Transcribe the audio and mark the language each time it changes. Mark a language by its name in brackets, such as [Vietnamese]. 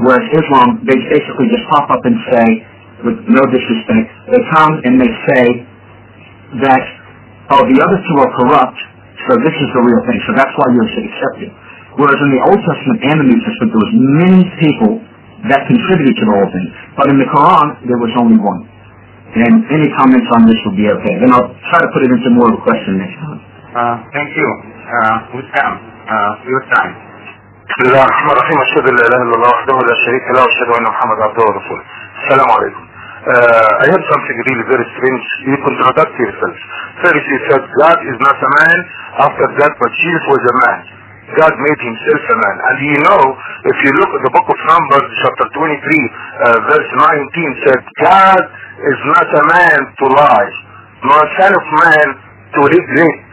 [English] Whereas Islam, they basically just pop up and say, with no disrespect, they come and they say that, oh, the other two are corrupt, so this is the real thing, so that's why you're accepted. Whereas in the Old Testament and the New Testament, there was many people that contributed to the whole thing. But in the Quran, there was only one. And any comments on this would be okay. And I'll try to put it into more of a question next time. Thank you. Who's down? Your time. [Arabic] بسم الله الرحمن الرحيم اشهد ان لا اله الا الله وحده لا شريك له واشهد ان محمد عبده ورسوله السلام عليكم [English] I have something really very strange. You contradict yourself. First you said God is not a man, after that but Jesus was a man. God made himself a man. And you know, if you look at the book of Numbers chapter 23 verse 19 said God is not a man to lie, nor a son of man to regret.